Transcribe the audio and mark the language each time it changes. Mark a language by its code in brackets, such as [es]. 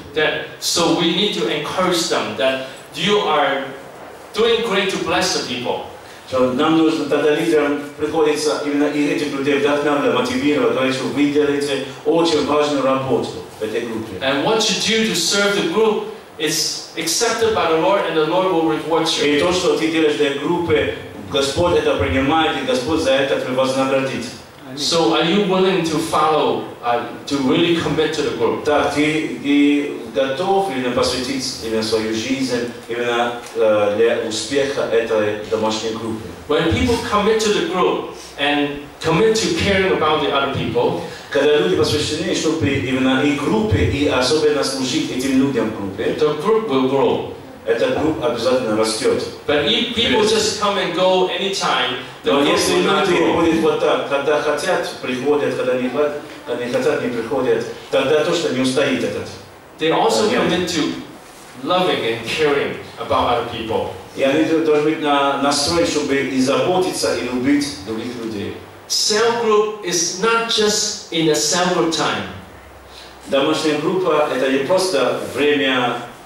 [en] That, so we need to encourage them that you are doing great to bless the people. [ru] So, нам нужно тогда лидерам приходится именно и этих людей вдохновлять, мотивировать, говорить, что вы делаете очень важную работу в этой группе. [en] And what you do to serve the group is accepted by the Lord, and the Lord will reward you. [ru] И то, что ты делаешь для группы, Господь это принимает, и Господь за это вознаградит. [en] So are you willing to follow, to really commit to the group? [ru] Так, ты готов именно посвятить именно свою жизнь именно для успеха этой домашней группы? [en] When people commit to the group and commit to caring about the other people, [ru] когда люди посвящены, чтобы именно и группе, и особенно служить этим людям в группе, [en] the group will grow. [ru] Эта группа обязательно растет. [en] But if people just come and go anytime, the group will not grow. [ru] Но если люди будут вот так, когда хотят, приходят, когда не хотят, не приходят, тогда точно не устоит этот. [en] They also commit to loving and caring about other people. [ru] И они должны быть настроены, чтобы и заботиться, и любить других людей. [en] Cell group is not just in a cell group time. [ru] Домашняя группа – это не просто время.